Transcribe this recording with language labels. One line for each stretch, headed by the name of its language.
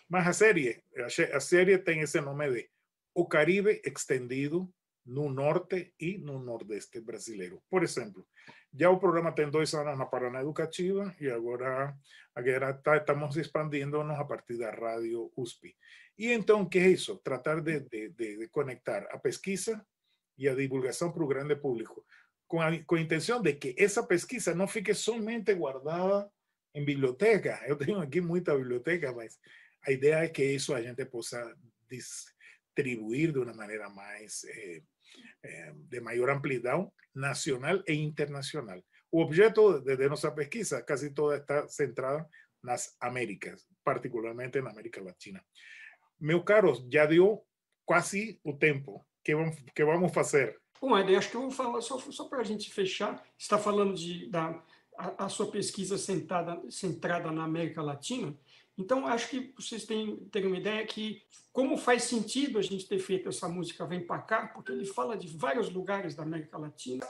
Portuguese: Mas a série tem esse nome de O Caribe Extendido no Norte e no Nordeste Brasileiro. Por exemplo, já o programa tem 2 anos na Paraná Educativa e agora estamos expandindo-nos a partir da Rádio USP. E então, o que é isso? Tratar de conectar a pesquisa
Spanish: y a divulgación para el grande público, con intención de que esa pesquisa no fique solamente guardada en biblioteca. Yo tengo aquí mucha biblioteca, pero la idea es que eso a gente pueda distribuir de una manera más, de mayor amplitud nacional e internacional. El objeto de nuestra pesquisa casi toda está centrada en las Américas, particularmente en América Latina.
Portuguese: Meu caro,
Spanish: ya dio casi el tiempo. ¿Qué vamos a hacer?
Portuguese: Bom, Eder, acho que eu vou falar só para a gente fechar. Você está falando da sua pesquisa centrada na América Latina. Então, acho que vocês têm uma ideia que como faz sentido a gente ter feito essa música Vem Pra Cá, porque ele fala de vários lugares da América Latina.